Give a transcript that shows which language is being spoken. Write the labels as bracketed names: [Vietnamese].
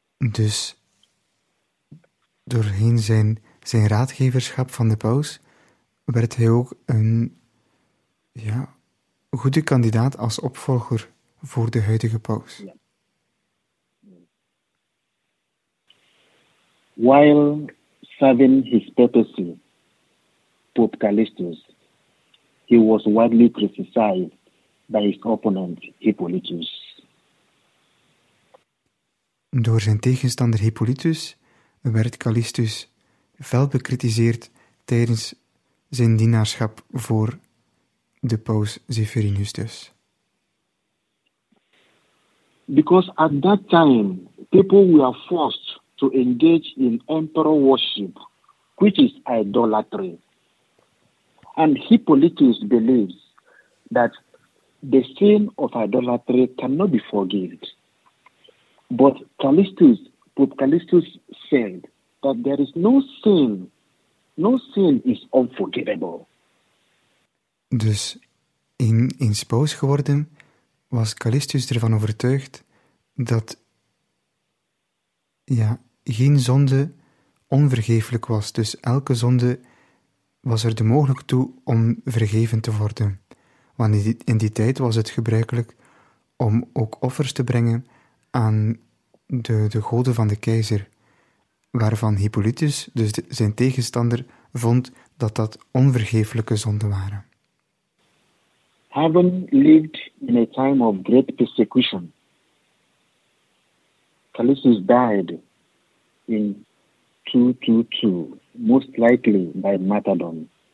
[Dutch] Dus doorheen zijn raadgeverschap van de paus werd hij ook een goede kandidaat als opvolger voor de huidige paus. [English] Yeah. While serving his papacy, Pope Callistus, he was widely criticized by his opponent Hippolytus. [Dutch] Door zijn tegenstander Hippolytus werd Callistus fel bekritiseerd tijdens zijn dienaarschap voor de paus Zephyrinus dus. [English] Because at that time, people were forced to engage in emperor worship, which is idolatry. And Hippolytus believes that the sin of idolatry cannot be forgiven. But Pope Callistus said that there is no sin. No sin is unforgivable. [Dutch] Dus in paus geworden was Callistus ervan overtuigd dat geen zonde onvergeeflijk was. Dus elke zonde was er de mogelijkheid toe om vergeven te worden. Want in die tijd was het gebruikelijk om ook offers te brengen aan de goden van de keizer, waarvan Hippolytus, dus zijn tegenstander, vond dat dat onvergeeflijke zonden waren. [English] Having lived in a time of great persecution, Callistus died in 222, most likely by martyrdom.